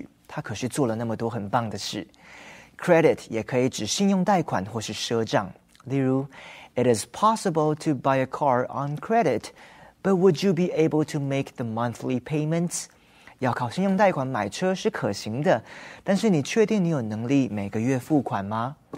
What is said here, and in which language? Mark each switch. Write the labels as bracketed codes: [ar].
[zh] 我不认为你给Jenny足够的赞许,她可是做了那么多很棒的事。 [en] Credit [zh] 也可以指信用贷款或是赊账。例如, [en] It is possible to buy a car on credit, but would you be able to make the monthly payments? [zh] 要靠信用贷款买车是可行的,但是你确定你有能力每个月付款吗?